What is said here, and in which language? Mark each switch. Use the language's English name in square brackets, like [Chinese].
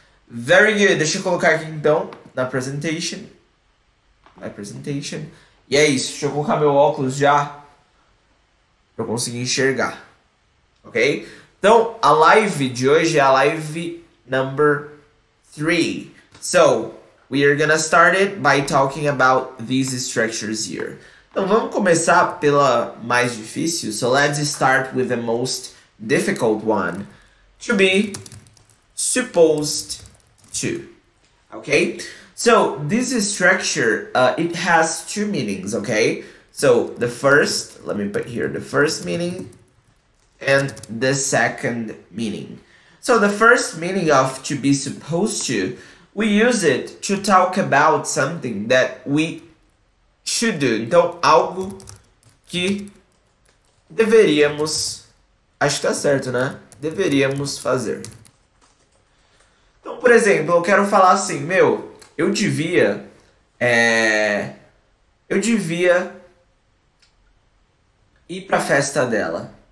[English] Very good, [Portuguese] deixa eu colocar aqui então, na presentation. [English] My presentation. [Portuguese] E é isso, deixa eu colocar meu óculos já pra eu conseguir enxergar. Ok? Então, a live de hoje é a live number 3. [English] So, we are gonna start it by talking about these structures here. [Portuguese] Então, vamos começar pela mais difícil. [English] So, let's start with the most difficult one. To be supposed to. Okay? So, this structure, it has two meanings, okay? So, the first, let me put here the first meaning. And the second meaning. So the first meaning of to be supposed to, we use it to talk about something that we should do. [Portuguese] Então, algo que deveríamos, acho que tá certo, né? Deveríamos fazer. Então, por exemplo, eu quero falar assim, meu, eu devia ir para a festa dela.